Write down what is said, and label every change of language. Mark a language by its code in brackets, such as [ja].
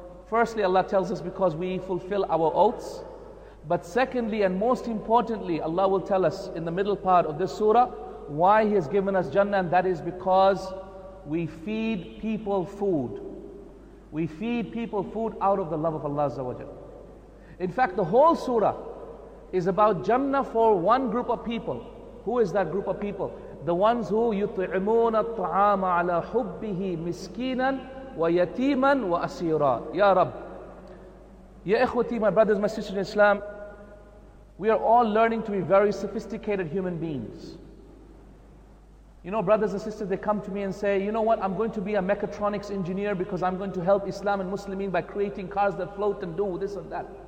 [en] Firstly, Allah tells us because we fulfill our oaths. But secondly and most importantly, Allah will tell us in the middle part of this surah why He has given us Jannah, and that is because we feed people food. We feed people food out of the love of Allah Azza wa Jalla. In fact, the whole surah is about Jannah for one group of people. Who is that group of people? The ones who [ar] يُطْعِمُونَ الطَّعَامَ عَلَى حُبِّهِ مِسْكِينًا وَيَتِيمًا وَأَسِيرًا. Ya Rabb. [en] Ya ikhwati, my brothers, my sisters in Islam, we are all learning to be very sophisticated human beings. You know, brothers and sisters, they come to me and say, you know what, I'm going to be a mechatronics engineer because I'm going to help Islam and Muslimin by creating cars that float and do this and that.